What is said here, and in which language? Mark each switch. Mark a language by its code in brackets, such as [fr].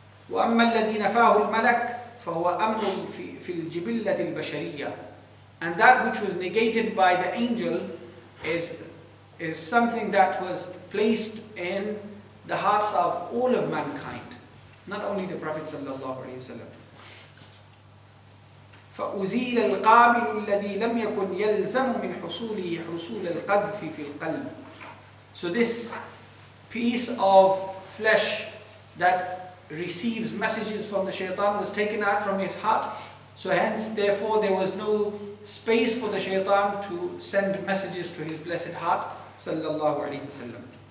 [ar] وَأَمَّا الَّذِي نَفَاهُ الْمَلَكُ فَهُوَ أَمْرٌ فِي الْجِبِلَّةِ الْبَشَرِيَّةِ. [en] And that which was negated by the angel is something that was placed in the hearts of all of mankind, not only the Prophet صلى الله عليه وسلم. [ar] فأزيل القابل الذي لم يكن يلزم من حصوله حصول القذف في القلب. [en] So this piece of flesh that receives messages from the shaitan was taken out from his heart. So hence, therefore, there was no space for the shaitan to send messages to his blessed heart, صلى الله عليه وسلم.